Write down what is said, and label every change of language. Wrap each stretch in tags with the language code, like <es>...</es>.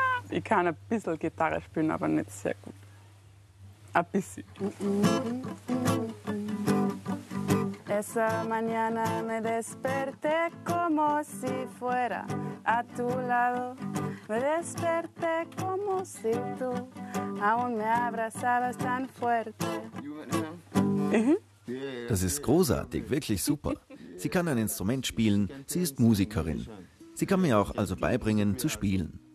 <de>Ich kann ein bisschen Gitarre spielen, aber nicht sehr gut. Ein bisschen.</de> <es>Esa mañana me desperté como si fuera a tu lado. Me desperté como si tú aún me abrazabas tan fuerte.</es> <de>Das ist großartig, wirklich super. Sie kann ein Instrument spielen, sie ist Musikerin. Sie kann mir auch also beibringen zu spielen.</de>